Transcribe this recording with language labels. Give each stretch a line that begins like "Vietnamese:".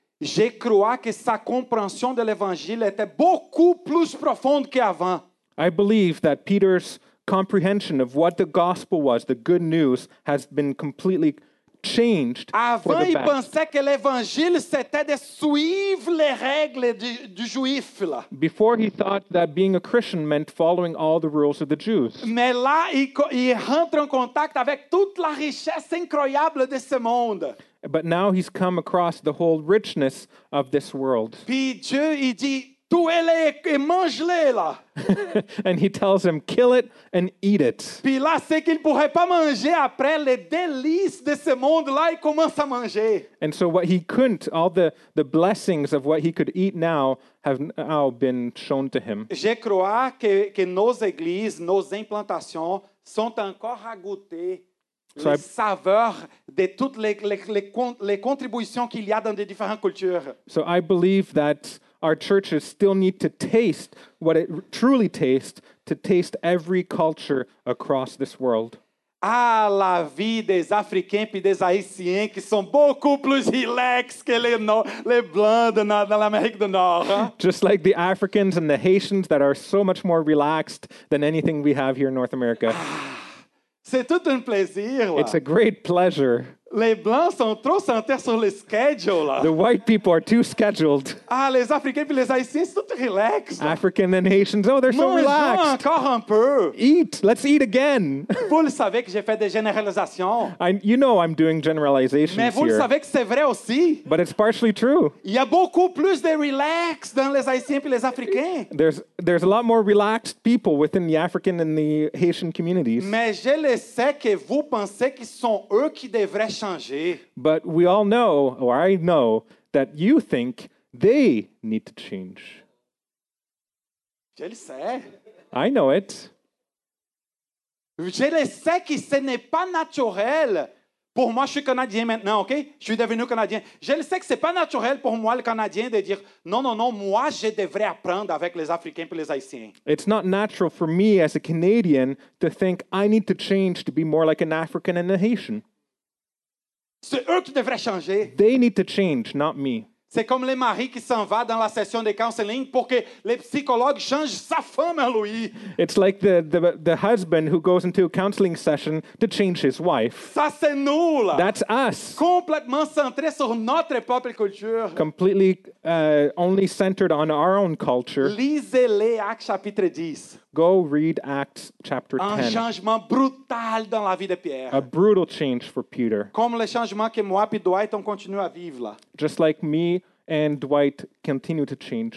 French: Je crois que sa compréhension de l'évangile était beaucoup plus profonde qu'avant.
English: I believe that Peter's comprehension of what the gospel was, the good news, has been completely changed.
French: Avant, il pensait que l'évangile c'était de suivre les règles du juif là.
English: Before he thought that being a Christian meant following all the rules of the Jews.
French: Mais là, il rentre en contact avec toute la richesse incroyable de ce monde.
English: But now he's come across the whole richness of this world.
French: Puis Dieu, il dit, tue-le et mange-le là.
English: And he tells him, kill it and eat it.
French: Puis là, c'est qu'il pourrait pas manger après les délices de ce monde là, il commence à manger.
English: And so what he couldn't, all the blessings of what he could eat now have now been shown to him.
French: Je crois que nos églises, nos implantations sont encore à goûter. So les saveurs de toutes les contributions qu'il y a dans les différentes cultures.
English: So I believe that our churches still need to taste what it truly tastes, to taste every culture across this world.
French: Ah, la vie des Africains puis des Haïtiens qui sont beaucoup plus relax que les Blancs dans l'Amérique du Nord. Hein?
English: Just like the Africans and the Haitians that are so much more relaxed than anything we have here in North America.
French: C'est tout un plaisir. Là.
English: It's a great pleasure.
French: Les blancs sont trop centrés sur le schedule. Là.
English: The white people are too scheduled.
French: Ah, les Africains et les Haïtiens sont tout relax. Là.
English: African and Haitians, oh, they're
French: Mangeons
English: so relaxed.
French: Mangeons encore un peu.
English: Eat, let's eat again.
French: Vous le savez que j'ai fait des généralisations.
English: You know I'm doing generalizations here.
French: Mais vous
English: here.
French: Le savez que c'est vrai aussi.
English: But it's partially true.
French: Il y a beaucoup plus de relax dans les Haïtiens et les Africains.
English: There's a lot more relaxed people within the African and the Haitian communities.
French: Mais je le sais que vous pensez que sont eux qui devraient
English: But we all know, or I know, that you think they need to change.
French: Je le sais.
English: I know it.
French: Je le sais que ce n'est pas naturel. Pour moi, je suis Canadien maintenant, ok? Je suis devenu Canadien. Je le sais que ce n'est pas naturel pour moi, le Canadien, de dire, non, non, non, moi, je devrais apprendre avec les Africains et les Haïtiens.
English: It's not natural for me as a Canadian to think I need to change to be more like an African and a Haitian.
French: C'est eux qui devraient changer.
English: They need to change, not me.
French: C'est comme les maris qui s'en va dans la session de counseling pour que les psychologues changent sa femme à lui.
English: It's like the husband who goes into a counseling session to change his wife.
French: Ça, c'est nous, là.
English: That's us.
French: Complètement centré sur notre propre culture.
English: Completely only centered on our own culture.
French: Lisez-les Actes chapitre 10.
English: Go read Acts chapter 10.
French: Un changement brutal dans la vie de Pierre.
English: A brutal change for Peter.
French: Comme le changement que moi et Dwight on continue à vivre là.
English: Just like me and Dwight continue to change.